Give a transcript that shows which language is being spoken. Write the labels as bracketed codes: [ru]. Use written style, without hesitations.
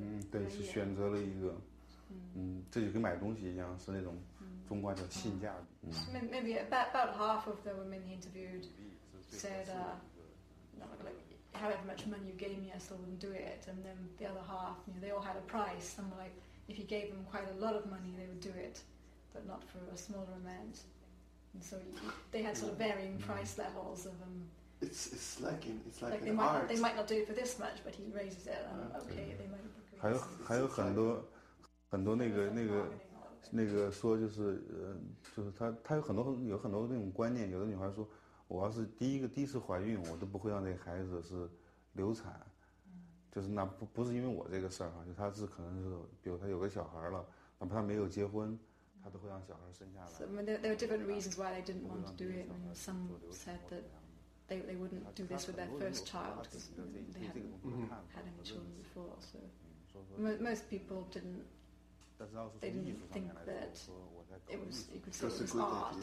[zh] 对，是选择了一个，这就跟买东西一样，是那种中观的性价比。 [en] Maybe about half of the women he interviewed said, like, however much money you gave me, I still wouldn't do it. And then the other half, you know, they all had a price. Some were like, if you gave them quite a lot of money, they would do it, but not for a smaller amount. And so they had sort of varying price levels of them. It's like in art. They might not do it for this much, but he raises it. Okay, they might agree. [zh] 还有很多很多那个说就是他有很多那种观念。有的女孩说，我要是第一次怀孕，我都不会让那孩子是流产。就是那不是因为我这个事儿哈，就他是可能是比如他有个小孩了，哪怕他没有结婚。他都会让小孩生下来。 [en] So, I mean, there are different reasons why they didn't want to do it. And some said that they wouldn't do this with their first child because they hadn't had any children before. So most people didn't think that it was art.